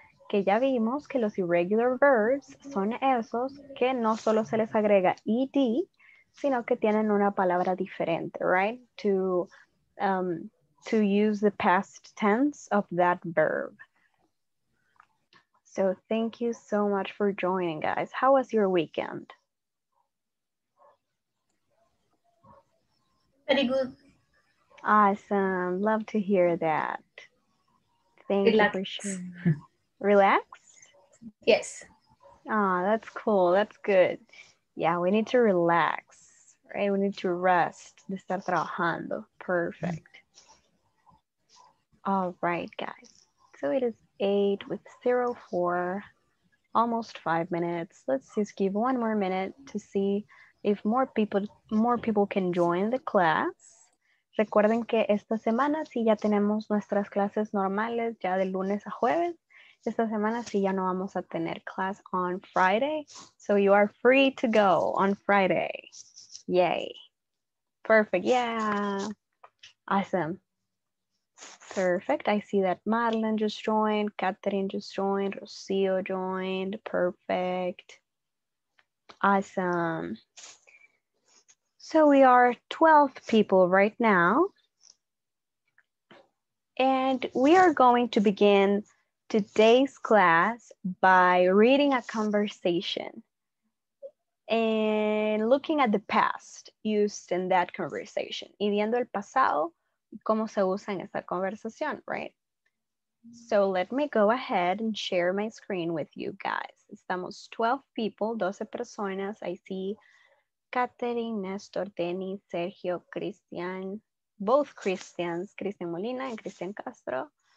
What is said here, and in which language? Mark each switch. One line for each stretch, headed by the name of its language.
Spanish: Que ya vimos que los irregular verbs son esos que no solo se les agrega ed, sino que tienen una palabra diferente,
English: right? To use the past tense of that verb. So thank you so much for joining, guys. How was your weekend? Very good. Awesome. Love to hear that. Thank you for sharing. Relaxed? Yes. Ah, that's cool. That's good. Yeah, we need to relax. Right, we need to rest,
Spanish: de estar trabajando.
English: Perfect. All right, guys. So it is 8:04, almost 5 minutes. Let's just give one more minute to see if more people can join the class.
Spanish: Recuerden que esta semana sí ya tenemos nuestras clases normales, ya de lunes a jueves. Esta semana sí ya no vamos a tener
English: class on Friday. So you are free to go on Friday. Yay. Perfect. Yeah. Awesome. Perfect. I see that Madeline just joined. Catherine just joined. Rocio joined. Perfect. Awesome. So we are 12 people right now. And we are going to begin today's class by reading a conversation and looking at the past used in that conversation.
Spanish: Y viendo el pasado, cómo se usa en esa conversación,
English: right? So let me go ahead and share my screen with you guys.
Spanish: Estamos
English: 12 people,
Spanish: 12 personas.
English: I see Catherine, Néstor, Denis, Sergio, Cristian, both Christians, Cristian Molina and Cristian Castro.